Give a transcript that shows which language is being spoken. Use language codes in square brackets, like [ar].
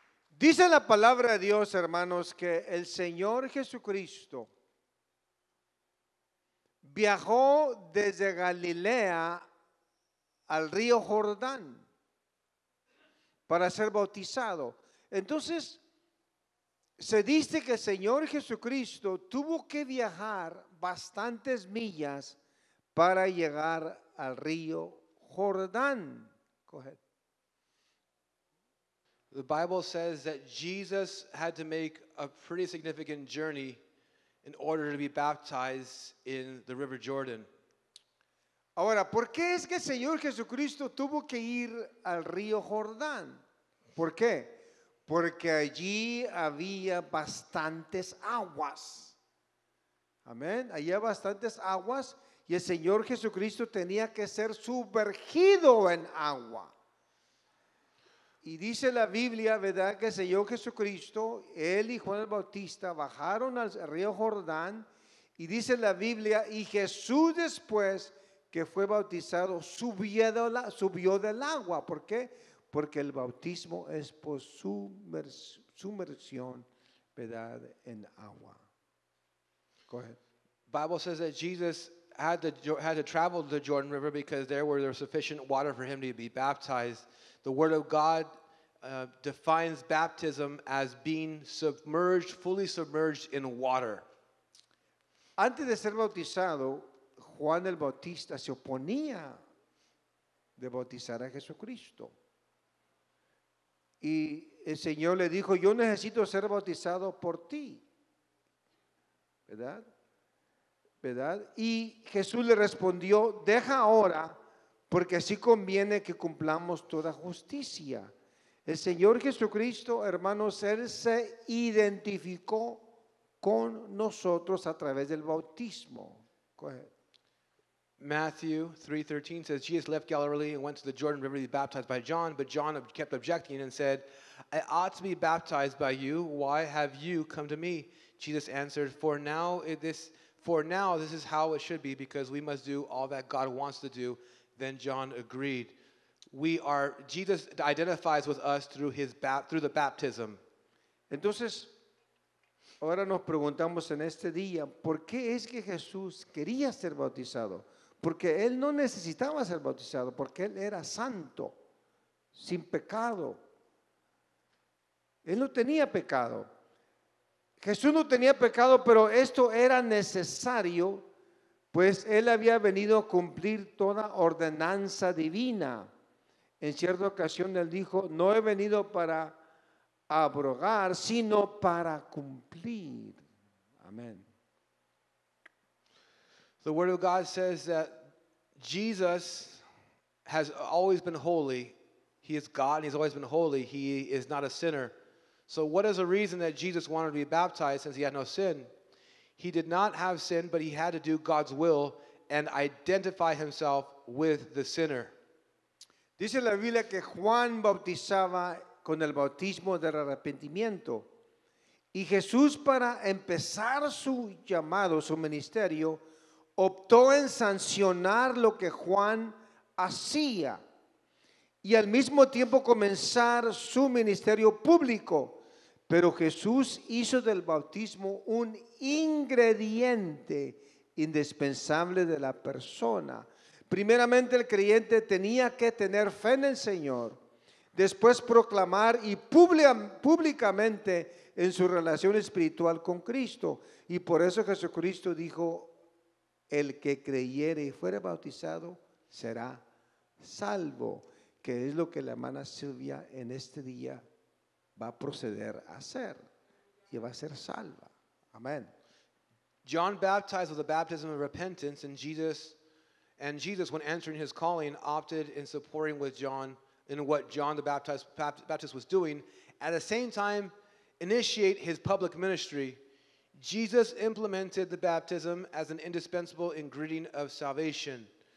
[es] Dice la palabra de Dios, hermanos, que el Señor Jesucristo viajó desde Galilea al río Jordán para ser bautizado. Entonces, se dice que el Señor Jesucristo tuvo que viajar bastantes millas para llegar al río Jordán. [en] Go ahead. The Bible says that Jesus had to make a pretty significant journey in order to be baptized in the river Jordan. [es] Ahora, ¿por qué es que el Señor Jesucristo tuvo que ir al río Jordán? ¿Por qué? Porque allí había bastantes aguas. Amén. Allí había bastantes aguas y el Señor Jesucristo tenía que ser sumergido en agua. Y dice la Biblia, ¿verdad?, que el Señor Jesucristo, él y Juan el Bautista bajaron al río Jordán y dice la Biblia, y Jesús después que fue bautizado subió del agua. ¿Por qué? Porque el bautismo es por sumersión, ¿verdad?, en agua. [en] Go ahead. Bible says that Jesus had to travel the Jordan River because there was sufficient water for him to be baptized. The word of God defines baptism as being submerged, fully submerged in water. [es] Antes de ser bautizado, Juan el Bautista se oponía de bautizar a Jesucristo. Y el Señor le dijo, yo necesito ser bautizado por ti. ¿Verdad? ¿Verdad? Y Jesús le respondió, deja ahora, porque así conviene que cumplamos toda justicia. El Señor Jesucristo, hermanos, Él se identificó con nosotros a través del bautismo. [en] Go ahead. Matthew 3:13 says, Jesus left Galilee and went to the Jordan River to be baptized by John, but John kept objecting and said, I ought to be baptized by you. Why have you come to me? Jesus answered, For now this is how it should be, because we must do all that God wants to do. Then John agreed. Jesus identifies with us through the baptism. [es] Entonces, ahora nos preguntamos en este día, ¿por qué es que Jesús quería ser bautizado? Porque él no necesitaba ser bautizado, porque él era santo, sin pecado. Él no tenía pecado. Jesús no tenía pecado, pero esto era necesario, pues él había venido a cumplir toda ordenanza divina. En cierta ocasión él dijo, no he venido para abrogar, sino para cumplir. Amén. [en] The word of God says that Jesus has always been holy. He is God and he's always been holy. He is not a sinner. So what is the reason that Jesus wanted to be baptized since he had no sin? He did not have sin, but he had to do God's will and identify himself with the sinner. [es] Dice la Biblia que Juan bautizaba con el bautismo del arrepentimiento. Y Jesús, para empezar su llamado, su ministerio, optó en sancionar lo que Juan hacía. Y al mismo tiempo comenzar su ministerio público. Pero Jesús hizo del bautismo un ingrediente indispensable de la persona. Primeramente, el creyente tenía que tener fe en el Señor. Después, proclamar y públicamente en su relación espiritual con Cristo. Y por eso Jesucristo dijo, el que creyere y fuere bautizado será salvo. Que es lo que la hermana Silvia en este día va a proceder a hacer y va a ser salva. [en] Amen. John baptized with a baptism of repentance, and Jesus, when answering his calling, opted in supporting with John in what John the Baptist was doing. At the same time, initiate his public ministry. Jesus implemented the baptism as an indispensable ingredient of salvation.